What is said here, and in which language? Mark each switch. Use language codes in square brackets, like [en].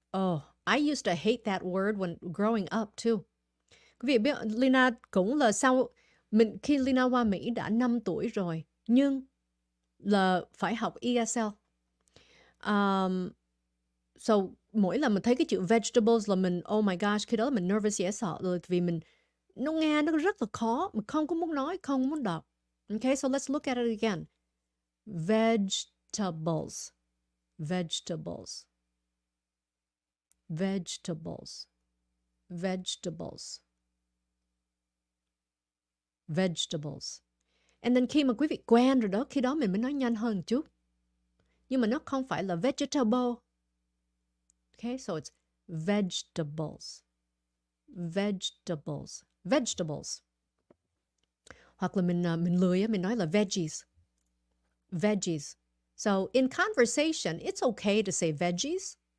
[en] Oh, I used to hate that word when growing up too. [vi] Quý vị biết Lina cũng là sau mình khi Lina qua Mỹ đã 5 tuổi rồi, nhưng là phải học ESL. So mỗi lần mình thấy cái chữ vegetables là mình oh my gosh, khi đó là mình nervous dễ sợ vì mình nó nghe nó rất là khó, mình không có muốn nói, không muốn đọc. [en] Okay, so let's look at it again. Vegetables. Vegetables. Vegetables. Vegetables. Vegetables. [vi] And then khi mà quý vị quen rồi đó, khi đó mình mới nói nhanh hơn chút. Nhưng mà nó không phải là vegetable. [en] Okay, so it's vegetables. Vegetables. Vegetables. [vi] Hoặc là mình lười á, mình nói là veggies. [en] Veggies. So, in conversation, it's okay to say veggies.